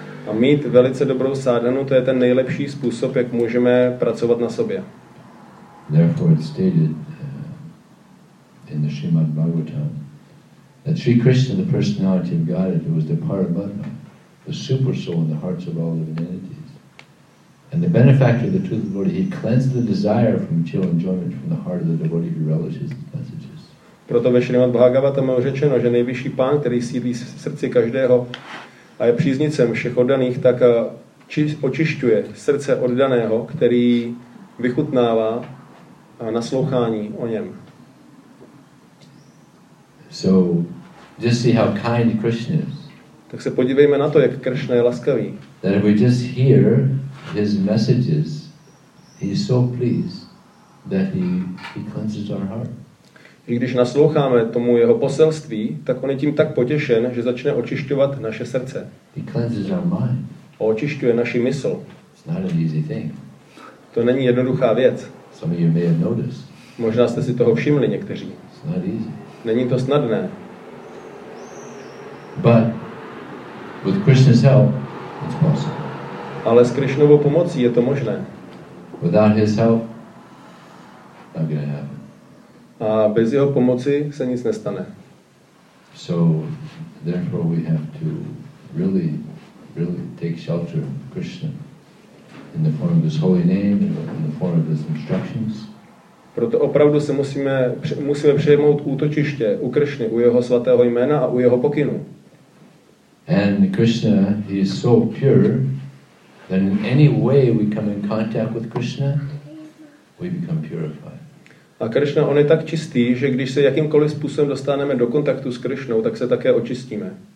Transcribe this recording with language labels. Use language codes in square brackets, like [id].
[cs] A mít velice dobrou sádhanu, to je ten nejlepší způsob, jak můžeme pracovat na sobě. [en] Therefore it's stated in the Srimad Bhagavatam that Sri Krishna, the personality of Godhead, who is the Paramatma, the super soul in the hearts of all living entities, and the benefactor of the truth of the devotee, he cleansed the desire from material enjoyment from the heart of the devotee who relishes the message. [cs] Proto ve Šrimad Bhagavatam je řečeno, že nejvyšší pán, který sídlí v srdci každého a je příznicem všech oddaných, tak očišťuje srdce oddaného, který vychutnává naslouchání o něm. [en] So, just see how kind Krishna is. [cs] Tak se podívejme na to, jak Krishna je laskavý. [en] That if we just hear his messages, he is so pleased that he cleanses our heart. [cs] I když nasloucháme tomu jeho poselství, tak on je tím tak potěšen, že začne očišťovat naše srdce. [en] He cleanses our mind. [cs] A očišťuje naši mysl. [en] It's not an easy thing. [cs] To není jednoduchá věc. [en] Some of you may have noticed. [cs] Možná jste si toho všimli někteří. [en] It's not easy. [cs] Není to snadné. [en] But with Krishna's help, it's possible. [cs] Ale s Krishnovou pomocí je to možné. [en] Without his help, not gonna happen. [cs] A bez jeho pomoci se nic nestane. [en] So, therefore we have to really, really take shelter of Krishna in the form of his holy name, in the form of his instructions. [cs] Proto opravdu se musíme přejmout útočiště u Krishny, u jeho svatého jména a u jeho pokynu. [en] And Krishna, he is so pure that in any way we come in contact with Krishna, we become purified. [cs] A Krishna, on je tak čistý, že když se jakýmkoliv způsobem dostaneme do kontaktu s Krishnou, tak se také očistíme.